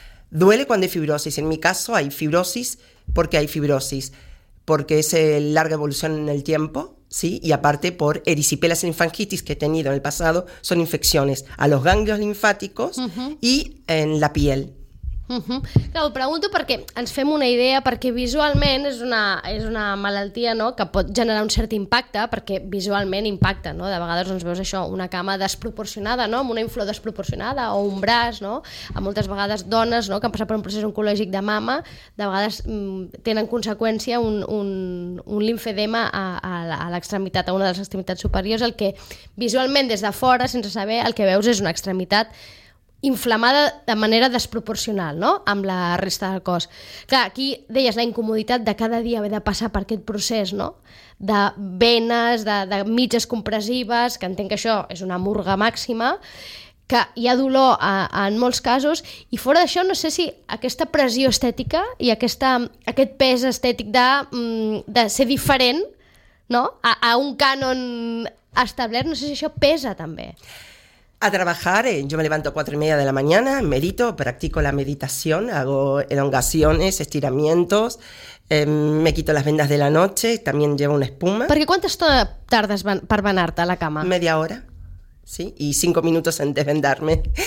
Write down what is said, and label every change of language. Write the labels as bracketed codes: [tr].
[es] Duele cuando hay fibrosis. En mi caso hay fibrosis. ¿Por qué hay fibrosis? Porque es larga evolución en el tiempo, ¿sí? Y aparte por erisipelas y linfangitis que he tenido en el pasado, son infecciones a los ganglios linfáticos y en la piel. [ca] Clar, ho pregunto perquè ens fem una idea, perquè visualment és una malaltia, no?, que pot generar un cert impacte, perquè visualment impacta, no? De vegades doncs, veus això, una cama desproporcionada, no?, amb una inflor desproporcionada, o un braç, no? A moltes vegades dones, no?, que han passat per un procés oncològic de mama, de vegades tenen conseqüència un linfedema a l'extremitat, a una de les extremitats superiors, el que visualment des de fora, sense saber, el que veus és una extremitat inflamada de manera desproporcional, no?, amb la resta del cos. Clar, aquí deies la incomoditat de cada dia haver de passar per aquest procés, no?, de venes, de mitges compressives, que entenc que això és una murga màxima, que hi ha dolor en molts casos, i fora d'això no sé si aquesta pressió estètica i aquest pes estètic de ser diferent, no?, a un cànon establert, no sé si això pesa també. [es] A trabajar, yo me levanto a 4:30 de la mañana, medito, practico la meditación, hago elongaciones, estiramientos, me quito las vendas de la noche, también llevo una espuma. [ca] Perquè quanta estona tardes per venar-te a la cama? [es] Media hora, sí, y 5 minutos en desvendarme.